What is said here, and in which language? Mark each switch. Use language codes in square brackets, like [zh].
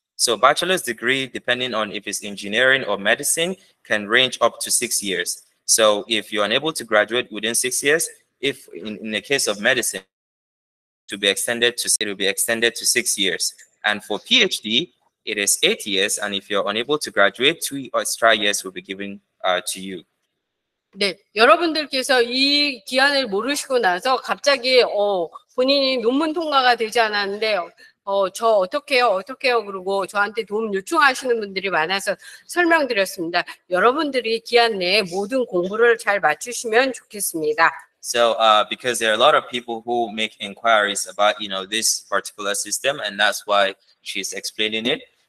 [en] So bachelor's degree, depending on if it's engineering or medicine, can range up to 6 years. So if you're unable to graduate within 6 years, if in the case of medicine, to be extended to, it will be extended to 6 years. And for PhD, it is 8 years. And if you're unable to graduate, 2 extra years will be given to you. [ko] 네, 여러분들께서 이 기한을 모르시고 나서 갑자기 본인이 논문 통과가 되지 않았는데 저 어떡해요? 어떡해요? 그러고 저한테 도움 요청하시는 분들이 많아서 설명드렸습니다. 여러분들이 기한 내에 모든 공부를 잘 맞추시면 좋겠습니다. [en] So because there are a lot of people who make inquiries about, you know, this particular system, and that's why she's explaining it.